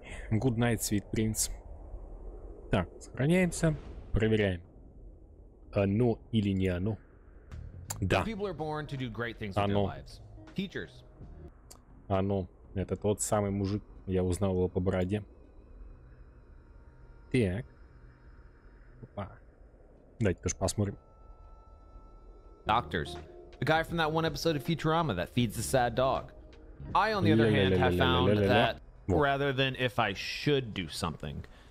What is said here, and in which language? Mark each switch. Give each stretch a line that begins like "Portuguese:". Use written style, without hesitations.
English: Good night, sweet prince.
Russian: Так, сохраняемся, проверяем. Оно или не оно? Да.
English: People are born to do great things with their lives. Teachers.
Russian: Оно. Это тот самый мужик, я узнал его по бороде. Так. Опа. Давайте тоже посмотрим.
English: Doctors. The guy from that one episode of Futurama that feeds the sad dog. I, on the other hand, have found that rather than if I should do something.